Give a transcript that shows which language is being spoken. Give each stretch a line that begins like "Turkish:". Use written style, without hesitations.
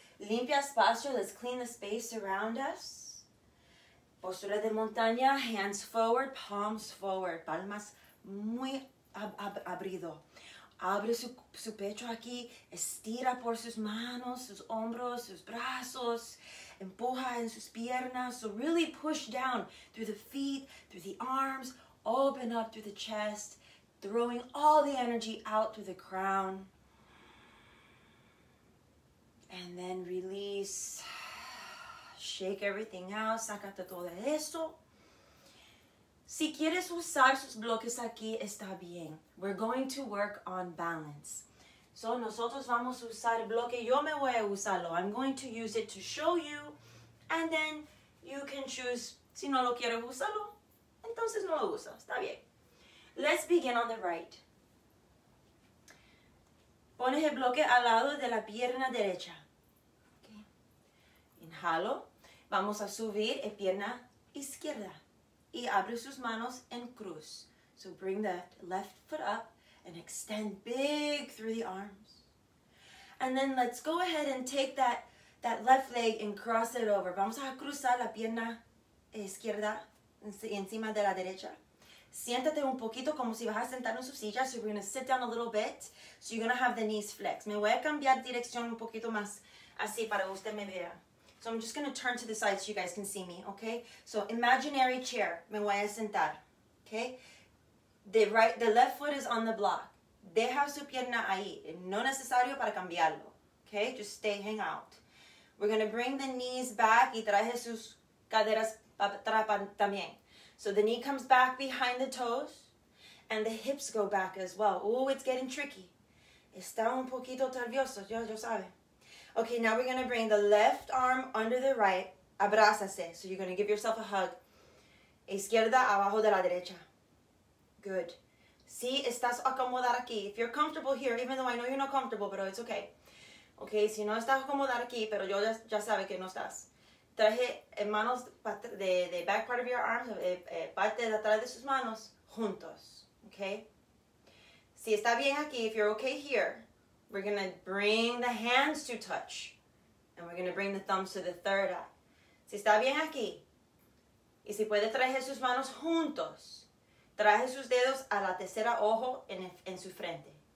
Spanish: Limpia espacio,
English: let's clean the space around us.
Spanish: Postura de montaña,
English: hands forward, palms forward,
Spanish: palmas muy abrido. Abre su pecho aquí, estira por sus manos, sus hombros, sus brazos, empuja en sus piernas.
English: So really push down through the feet, through the arms, open up through the chest, throwing all the energy out through the crown. And then release. Shake everything out.
Spanish: Sácate todo eso. Si quieres usar sus bloques aquí, está bien.
English: We're going to work on balance. So,
Spanish: nosotros vamos a usar el bloque. Yo me voy a usarlo.
English: I'm going to use it to show you. And then, you can choose.
Spanish: Si no lo quieres usarlo, entonces no lo usa. Está bien.
English: Let's begin on the right.
Spanish: Pones el bloque al lado de la pierna derecha. Okay. Inhalo. Vamos a subir en pierna izquierda y abre sus manos en cruz.
English: So bring the left foot up and extend big through the arms. And then let's go ahead and take that left leg and cross it over.
Spanish: Vamos a cruzar la pierna izquierda encima de la derecha. Siéntate un poquito como si vas a sentar en su silla.
English: So we're going to sit down a little bit. So you're going to have the knees flexed.
Spanish: Me voy a cambiar dirección un poquito más así para que usted me vea.
English: So I'm just going to turn to the side so you guys can see me, okay? So imaginary chair,
Spanish: me voy a sentar,
English: okay? The left foot is on the block.
Spanish: Deja su pierna ahí, no necesario para cambiarlo, okay?
English: Just stay, hang out. We're going to bring the knees back
Spanish: y traje sus caderas también.
English: So the knee comes back behind the toes and the hips go back as well. Oh, it's getting tricky.
Spanish: Está un poquito nervioso, yo sabe.
English: Okay, now we're going to bring the left arm under the right.
Spanish: Abrázase.
English: So you're going to give yourself a hug.
Spanish: Izquierda abajo de la derecha.
English: Good.
Spanish: Si estás acomodar aquí.
English: If you're comfortable here, even though I know you're not comfortable, but it's okay.
Spanish: Okay, si no estás acomodar aquí, pero yo ya sabe que no estás. Traje manos de
English: back part of your arms,
Spanish: parte de atrás de sus manos, juntos. Okay? Si está bien aquí,
English: if you're okay here, we're going to bring the hands to touch. And we're going to bring the thumbs to the third eye.
Spanish: Si está bien aquí, y si puede traer sus manos juntos, traje sus dedos a la tercera ojo en su frente.